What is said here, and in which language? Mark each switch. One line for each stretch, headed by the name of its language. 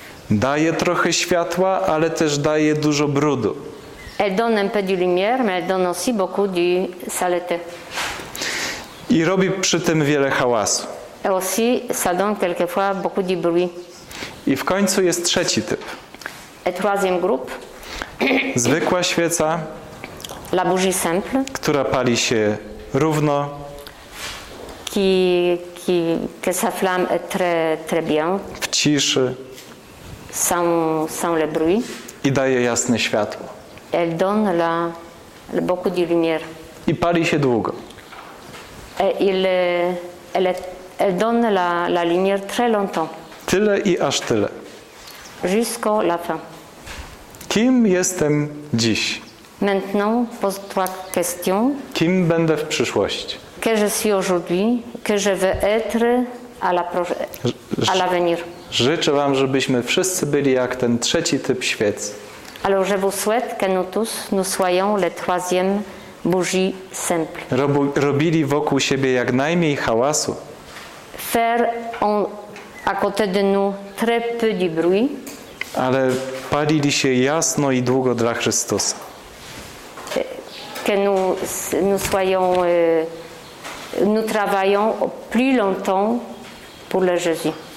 Polish: Daje trochę światła, ale też daje dużo brudu.
French: Elle donne un peu de lumière, mais elle donne aussi beaucoup de saleté.
Polish: I robi przy tym wiele hałasu.
French: Et aussi, ça donne quelquefois beaucoup de bruit.
Polish: I w końcu jest trzeci typ.
French: Et troisième groupe.
Polish: Zwykła świeca,
French: la bougie simple,
Polish: która pali się równo,
French: que sa flamme est très bien,
Polish: w ciszy,
French: sans le bruit,
Polish: i daje jasne światło.
French: Elle donne le beaucoup de lumière.
Polish: I pali się długo.
French: Elle donne la lumière très longtemps.
Polish: Tyle i aż tyle.
French: Jusqu'à la fin.
Polish: Kim jestem dziś?
French: Maintenant, pose-toi question.
Polish: Kim będę w przyszłości?
French: Que je suis aujourd'hui, que je veux être à la à l'avenir.
Polish: Życzę Wam, żebyśmy wszyscy byli jak ten trzeci typ świecy.
French: Alors je vous souhaite que nous tous nous soyons le troisième bougie simple.
Polish: Robili wokół siebie jak najmniej hałasu.
French: Faire en, à côté de nous très peu de bruit.
Polish: Ale palili się jasno i długo dla Chrystusa.
French: Que nous, nous soyons, nous travaillons plus longtemps pour le Jésus.